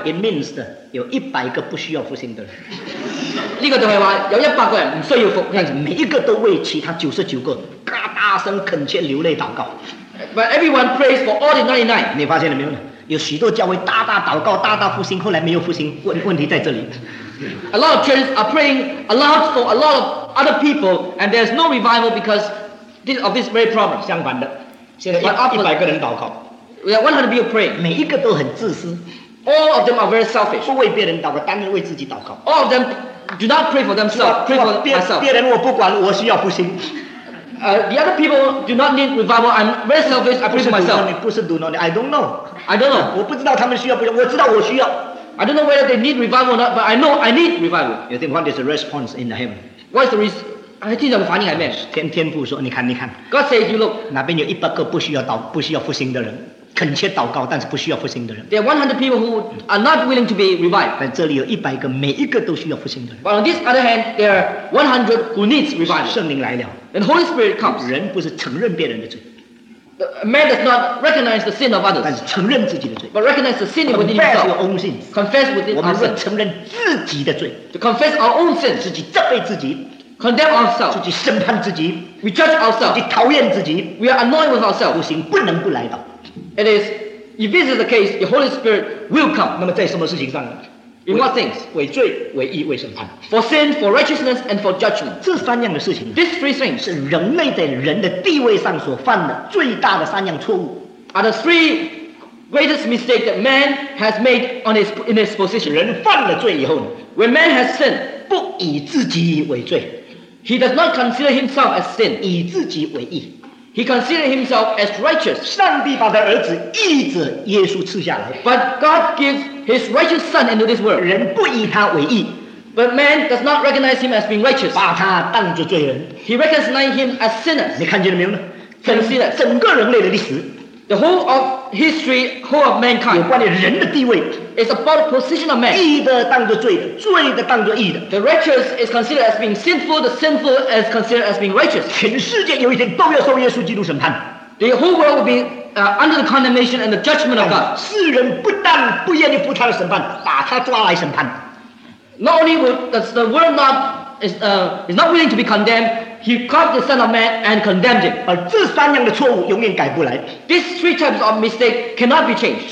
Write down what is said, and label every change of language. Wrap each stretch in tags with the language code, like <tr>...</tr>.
<en>It means that</en> <zh>有100个不需要复兴的人, 这个都会说有100个人不需要复兴，但是每一个都为其他99个大声恳切流泪祷告。</zh> <en>But everyone prays for all the 99.</en> <zh>你发现了没有呢? 有许多教会大大祷告大大复兴, 后来没有复兴, 问题在这里。</zh> <en>A lot of churches are praying a lot for a lot of other people, and there's no revival because of this very problem.</en> <zh>相反的, 现在100个人祷告,</zh> <en>we have 100 people praying,</en> <zh>每一个都很自私,</zh> <en>all of them are very selfish,</en> <zh>不为别人祷告, 单单为自己祷告,</zh> <en>all of them do not pray for themselves, pray for myself.</en> <zh>别人我不管, 我需要复兴。</zh> <en>The other people do not need revival. I'm very selfish, I pray for myself.</en> <zh>不是读那里,</zh> <en>I don't know. I don't know.</en> <zh>我不知道他们需要不需要, 我知道我需要。</zh> <en>I don't know whether they need revival or not, but I know I need revival. You think what is the response in the heaven? What is the response?</en> <zh>听到反应还没? 天父说, 你看, 你看,</zh> <en>God says, you look,</en> <zh>那边有100个不需要祷告不需要复兴的人, 恳切祷告, 但是不需要复兴的人。</zh> <en>There are 100 people who are not willing to be revived.</en> <zh>但这里有100个, 每一个都需要复兴的人。</zh> <en>But on this other hand, there are 100 who needs revival.</en> <zh>圣灵来了,</zh> <en>and the Holy Spirit comes.</en> <zh>人不是承认别人的罪,</zh> <en>a man does not recognize the sin of others,</en> <zh>但是承认自己的罪,</zh> <en>but recognize the sin within himself. Confess your own sins. Confess within ourselves.</en> <zh>我们是承认自己的罪,</zh> <en>to confess our own sins.</en> <zh>自己责备自己,</zh> <en>condemn ourselves.</en> <zh>自己审判自己,</zh> <en>we judge ourselves.</en> <zh>自己讨厌自己,</zh> <en>we are annoyed with ourselves.</en> <zh>不行不能不来的。</zh> <en>It is, if this is the case, the Holy Spirit will come.</en> <zh>那么在什么事情上呢?</zh> <en>In what things?</en> <zh>为罪, 为义, 为审判,</zh> <en>for sin, for righteousness, and for judgment.</en> <zh>这三样的事情,</zh> <en>these three things,</en> <zh>是人类在人的地位上所犯的最大的三样错误,</zh> <en>are the three greatest mistakes that man has made on his, in his position.</en> <zh>人犯了罪以后呢,</zh> <en>when man has sinned,</en> <zh>不以自己为罪,</zh> <en>he does not consider himself as sin,</en> <zh>以自己为义,</zh> <en>he considered himself as righteous.</en> <zh>上帝把他儿子义子耶稣赐下来,</zh> <en>but God gives his righteous son into this world.</en> <zh>人不以他为义,</zh> <en>but man does not recognize him as being righteous.</en> <zh>把他当作罪人,</zh> <en>he recognized him as sinners.</en> <zh>你看见了没有呢?</zh> <en>Consider</en> <zh>整个人类的历史,</zh> <en>the whole of history, whole of mankind,</en> <zh>有关于人的地位,</zh> <en>it's about the position of man.</en> <zh>义的当作罪, 罪的当作义的,</zh> <en>the righteous is considered as being sinful, the sinful is considered as being righteous.</en> <zh>全世界有一天都要受耶稣基督审判,</zh> <en>the whole world will be under the condemnation and the judgment of God.</en> <zh>世人不但不愿意付他的审判, 把他抓来审判,</zh> <en>not only does the world not is not willing to be condemned, he caught the Son of Man and condemned him.</en> <zh>而这三样的错误永远改不来,</zh> <en>these three types of mistake cannot be changed,</en>